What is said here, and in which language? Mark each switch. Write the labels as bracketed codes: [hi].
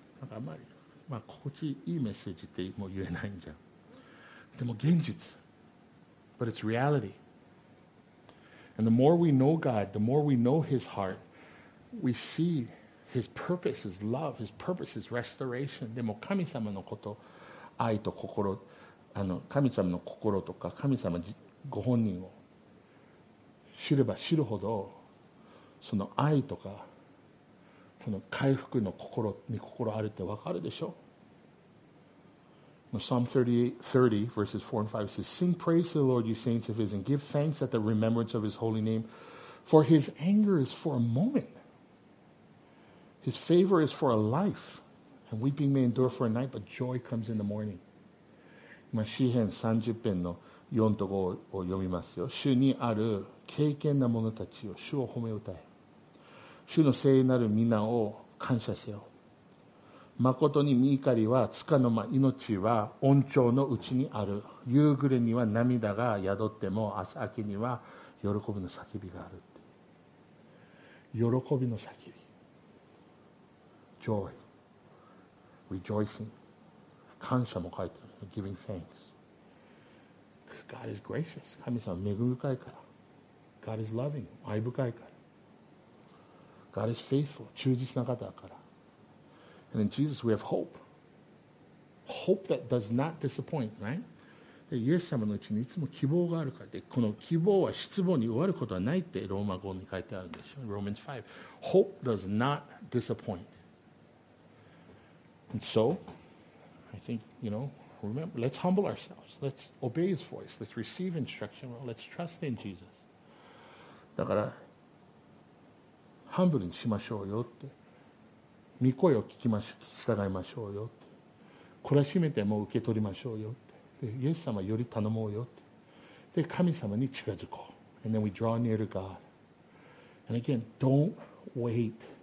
[ja] なんかあんまり、まあ、心地いいメッセージってもう言えないんじゃん。でも現実、 [en] But it's reality. And the more we know God, the more we know His heart, we see His purpose, His love, His purpose, His restoration. [ja] でも神様のこと、愛と心、あの神様の心とか神様ご本人を知れば知るほど、その愛とか、その回復の心に心あるってわかるでしょ。 [en] Psalm 30 verses 4 and 5 says, Sing praise to the Lord, you saints of his, and give thanks at the remembrance of his holy name. For his anger is for a moment. His favor is for a life. And weeping may endure for a night, but joy comes in the morning. [ja] 今、詩編30編の4と5を読みますよ。主にある敬虔な者たちを主を褒め歌え。主の聖なる皆を感謝せよ。誠に御怒りは束の間、命は恩寵のうちにある。夕暮れには涙が宿っても、朝明けには喜びの叫びがある。喜びの叫び、 [en] Joy, rejoicing、 [ja] 感謝も書いてある。 [en] Giving thanks, because God is gracious。 [ja] 神様は恵み深いから。 [en] God is loving, [ja] 愛深いから。 [en] God is faithful, [ja] 忠実な方だから。 [en] And in Jesus we have hope. Hope that does not disappoint, right? [ja] で、イエス様のうちにいつも希望があるから。で、この希望は失望に終わることはないってローマ語に書いてあるんでしょ。 [en] Romans 5. Hope does not disappoint. And so, I think, you know, remember, let's humble ourselves. Let's obey his voice. Let's receive instruction. Let's trust in Jesus. [ja] だから、ハンブルにしましょうよって。御声を聞きましょう、従いましょうよって。懲らしめても受け取りましょうよって。で、イエス様より頼もうよって。で、神様に近づこう。 [en] And then we draw near to God. And again, don't wait.